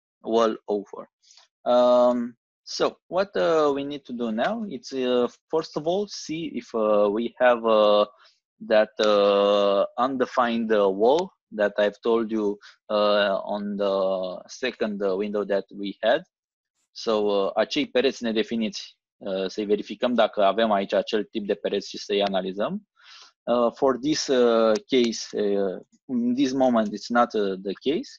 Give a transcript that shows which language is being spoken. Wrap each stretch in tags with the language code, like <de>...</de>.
<en>Wall 04. So what we need to do now, it's first of all, see if we have that undefined wall that I've told you on the second window that we had.</en> <ro>So acei pereți nedefiniți, să-i verificăm dacă avem aici acel tip de pereți și să-i analizăm.</ro> <en>For this case, in this moment, it's not the case.</en>